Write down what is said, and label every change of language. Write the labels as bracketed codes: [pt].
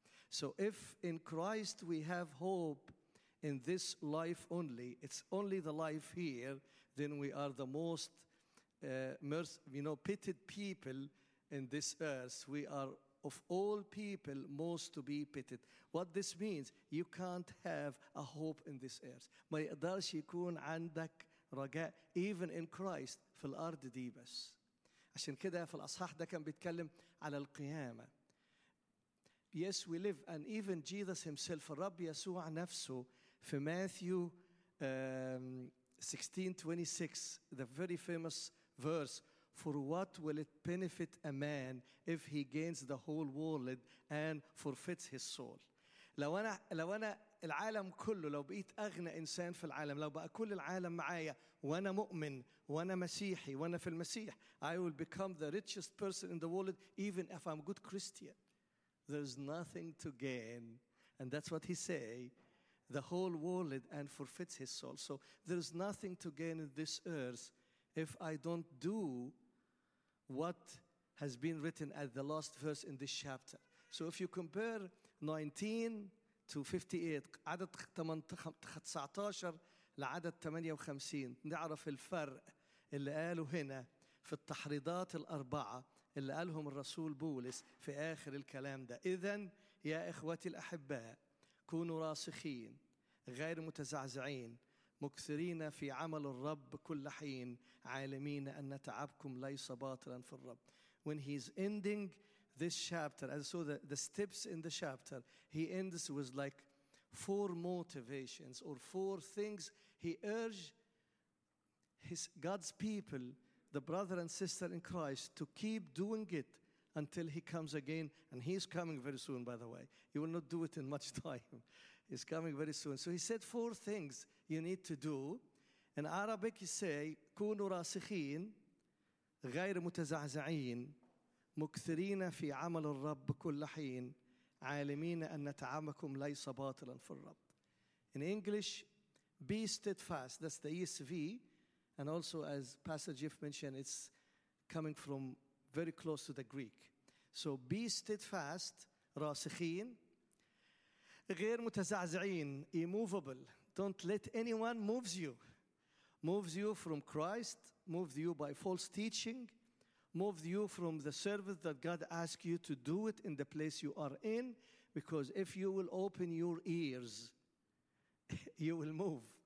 [en] So if in Christ we have hope in this life only, it's only the life here, then we are the most pitied people in this earth. We are of all people most to be pitied. What this means, you can't have a hope in this earth. [ar] ما يقدرش يكون عندك رجاء [en] even in Christ [ar] في الأرض دي بس. عشان كده في الأصحاح ده كان بيتكلم على القيامة. [en] Yes, we live, and even Jesus himself, [ar] الرب يسوع نفسه, [en] في Matthew 16:26, the very famous verse, for what will it benefit a man if he gains the whole world and forfeits his soul? [ar] لو أنا العالم كله, لو بقيت أغنى إنسان في العالم, لو بقى كل العالم معايا وأنا مؤمن وأنا مسيحي وأنا في المسيح, [en] I will become the richest person in the world even if I'm a good Christian. There's nothing to gain. And that's what he say, the whole world and forfeits his soul. So there's nothing to gain in this earth if I don't do what has been written at the last verse in this chapter. So if you compare 19 to 58, [ar] عدد 19 لعدد 58, نعرف الفرق اللي قاله هنا في التحريضات الأربعة اللي قالهم الرسول بولس في آخر الكلام ده. إذن يا إخوتي الأحباء, كونوا راسخين غير متزعزعين, مكثرين في عمل الرب كل حين, عالمين أن تعبكم ليس باطلا في الرب. [en] When he's ending this chapter, and so the steps in the chapter, he ends with like four motivations or four things he urge His God's people, the brother and sister in Christ, to keep doing it until he comes again. And he's coming very soon, by the way. He will not do it in much time. He's coming very soon. So he said four things you need to do. In Arabic, you say, [ar] كونوا راسخين غير متزعزعين مكثرين في عمل الرب كل حين عالمين أن تعامكم ليس باطلا في الرب. [en] In English, be steadfast. That's the ESV. And also, as Pastor Jeff mentioned, it's coming from very close to the Greek. So be steadfast, [ar] راسخين, غير متزعزعين, [en] immovable. Don't let anyone moves you from Christ, moves you by false teaching, moves you from the service that God asks you to do it in the place you are in, because if you will open your ears, you will move.